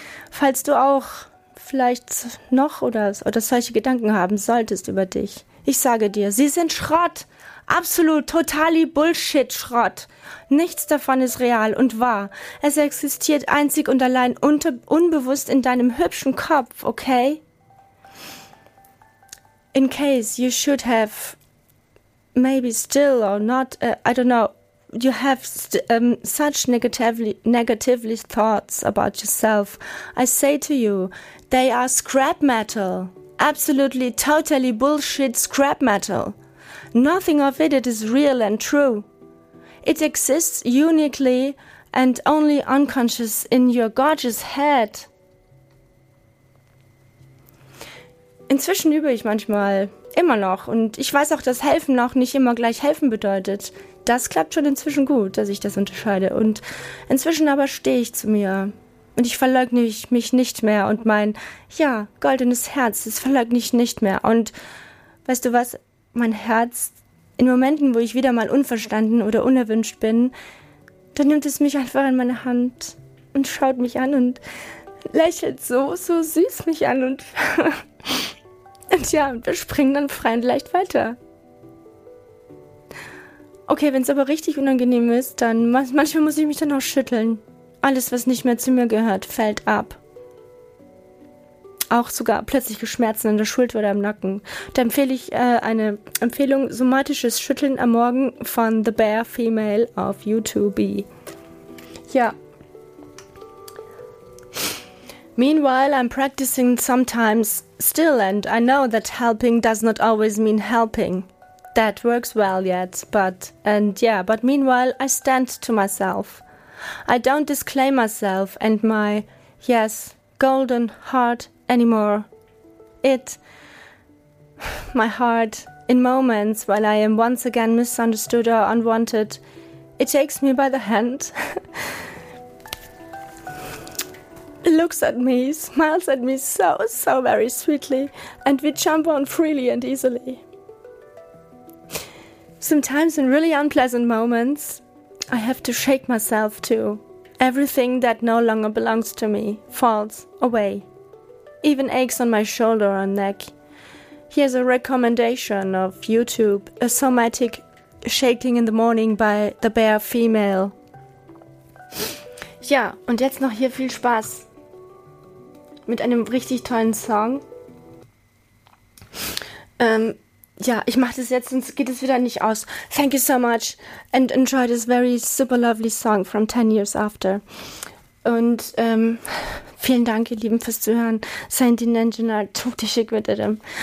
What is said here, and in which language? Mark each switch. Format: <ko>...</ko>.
<de>Falls du auch vielleicht noch oder solche Gedanken haben solltest über dich, ich sage dir, sie sind Schrott. Absolut, totali Bullshit-Schrott. Nichts davon ist real und wahr. Es existiert einzig und allein unbewusst in deinem hübschen Kopf, okay?</de> <en>In case you should have maybe still or not, I don't know, you have such negatively thoughts about yourself, I say to you, they are scrap metal. Absolutely, totally bullshit scrap metal. Nothing of it is real and true. It exists uniquely and only unconscious in your gorgeous head.</en> <de>Inzwischen übe ich manchmal, immer noch, und ich weiß auch, dass helfen auch nicht immer gleich helfen bedeutet. Das klappt schon inzwischen gut, dass ich das unterscheide. Und inzwischen aber stehe ich zu mir. Und ich verleugne mich nicht mehr. Und mein, ja, goldenes Herz, das verleugne ich nicht mehr. Und weißt du was? Mein Herz, in Momenten, wo ich wieder mal unverstanden oder unerwünscht bin, dann nimmt es mich einfach in meine Hand und schaut mich an und lächelt so, so süß mich an. Und, und ja, wir springen dann frei und leicht weiter. Okay, wenn es aber richtig unangenehm ist, dann manchmal muss ich mich dann auch schütteln. Alles, was nicht mehr zu mir gehört, fällt ab. Auch sogar plötzliche Schmerzen in der Schulter oder im Nacken. Da empfehle ich eine Empfehlung, somatisches Schütteln am Morgen von The Bear Female auf YouTube. Ja.</de> <en>Meanwhile, I'm practicing sometimes still and I know that helping does not always mean helping. That works well yet, but meanwhile, I stand to myself. I don't disclaim myself and my, yes, golden heart anymore. My heart, in moments when I am once again misunderstood or unwanted, it takes me by the hand. It looks at me, smiles at me so, so very sweetly, and we jump on freely and easily. Sometimes in really unpleasant moments, I have to shake myself too. Everything that no longer belongs to me falls away. Even aches on my shoulder or neck. Here's a recommendation of YouTube, a somatic shaking in the morning by The Bear Female.</en> <de>Ja, und jetzt noch hier viel Spaß mit einem richtig tollen Song. Ja, ich mache das jetzt, sonst geht es wieder nicht aus.</de> <en>Thank you so much and enjoy this very super lovely song from 10 years after.</en> <de>Und vielen Dank, ihr Lieben, fürs Zuhören. Send in Angela, tut die schick mit dem.</de>